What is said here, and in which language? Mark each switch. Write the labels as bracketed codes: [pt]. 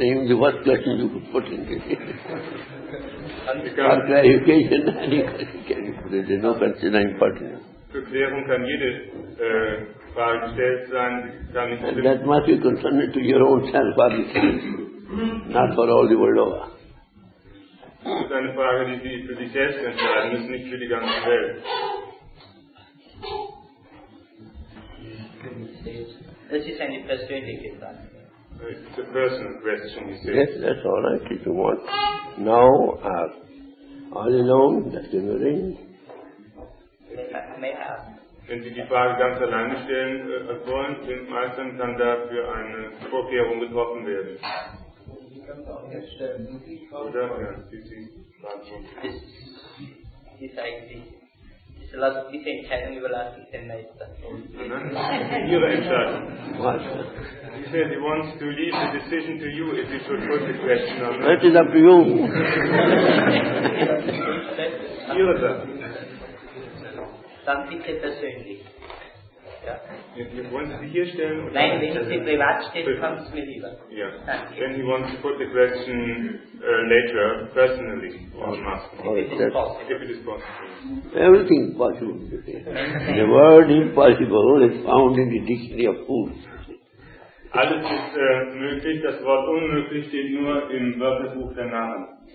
[en] Even the worst question you could put in it. For clarification, any question can you put it. There's no question impertinent. [de] Für Klärung kann jede Frage gestellt sein. Kann ich [en] and that must be concerned to your own self, obviously. Not for all the world over. [de] Das ist eine Frage, die Sie für sich selbst entscheiden müssen, nicht für die ganze Welt. Das ist eine persönliche Frage. [en] It's a personal question, you see. Yes, that's all right, if you want. Now, all alone, that's in the ring. May I ask? [de] Wenn Sie die Frage ganz alleine stellen wollen, dem Meister kann dafür eine Vorkehrung getroffen werden. Ich kann es auch jetzt stellen. Oder? Ja, Sie sind Fragen. Diese Entscheidung überlasse ich dem Meister. Ihre Entscheidung. Was? [en] He said he wants to leave the decision to you if he should put the question on. That is up to you. [de] Ihre Sache. Dann bitte persönlich. Ja. Wollen Sie sie hier stellen? Nein, wenn ich sie privat stelle, kommt es mir lieber. Ja. [en] Then he wants to put the question later, personally, on master. Oh, if it is possible. Everything is possible. The word impossible is found in the dictionary of fools. [de] Alles ist möglich, das Wort unmöglich steht nur im Wörterbuch der Namen.